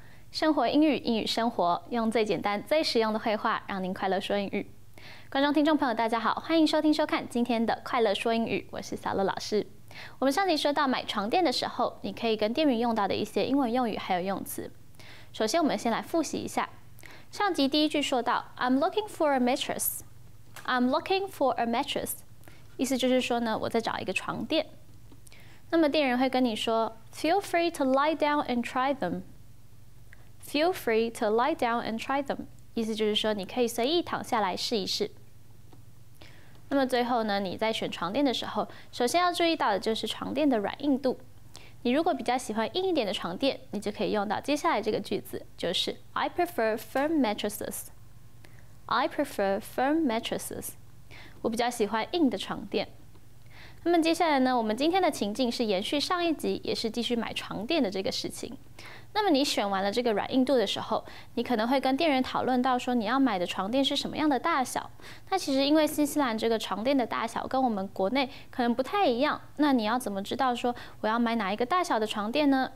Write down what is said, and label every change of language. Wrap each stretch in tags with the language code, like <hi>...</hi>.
<zh>生活英语，英语生活，用最简单、最实用的会话，让您快乐说英语。观众、听众朋友，大家好，欢迎收听、收看今天的快乐说英语，我是小乐老师。我们上集说到买床垫的时候，你可以跟店员用到的一些英文用语还有用词。首先，我们先来复习一下。上集第一句说到</zh> <en>，I'm looking for a mattress. I'm looking for a mattress.</en> <zh>意思就是说呢，我在找一个床垫。那么店员会跟你说</zh> <en>，Feel free to lie down and try them. Feel free to lie down and try them.</en> <zh>意思就是说，你可以随意躺下来试一试。那么最后呢，你在选床垫的时候，首先要注意到的就是床垫的软硬度。你如果比较喜欢硬一点的床垫，你就可以用到接下来这个句子，就是</zh> <en>I prefer firm mattresses. I prefer firm mattresses.</en> <zh>我比较喜欢硬的床垫。那么接下来呢，我们今天的情境是延续上一集，也是继续买床垫的这个事情。那么你选完了这个软硬度的时候，你可能会跟店员讨论到说你要买的床垫是什么样的大小。那其实因为新西兰这个床垫的大小跟我们国内可能不太一样，那你要怎么知道说我要买哪一个大小的床垫呢？</zh>